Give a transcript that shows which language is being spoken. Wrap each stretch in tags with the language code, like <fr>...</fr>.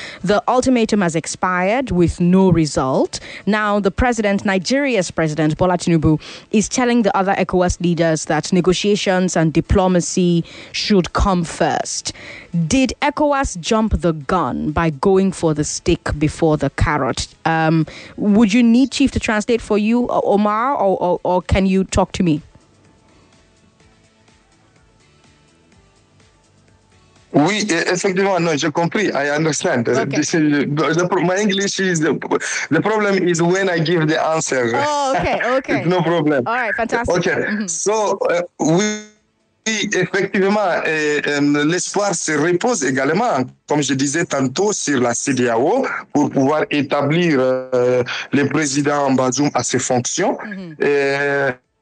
<en>The ultimatum has expired with no result. Now, the president, Nigeria's president, Bola Tinubu, is telling the other ECOWAS leaders that negotiations and diplomacy should come first. Did ECOWAS jump the gun by going for the stick before the carrot? Would you need Chief to translate for you, Omar, or can you talk to me?</en> <fr>Oui, effectivement, non, j'ai compris.</fr> <en>I understand. Okay. My English is the problem is when I give the answer. Oh, okay. It's no problem. All right, fantastic. Okay, so</en> <fr>oui, effectivement, l'espoir se repose également, comme je disais tantôt, sur la CEDEAO pour pouvoir établir le président Bazoum à ses fonctions. Mm-hmm.</fr>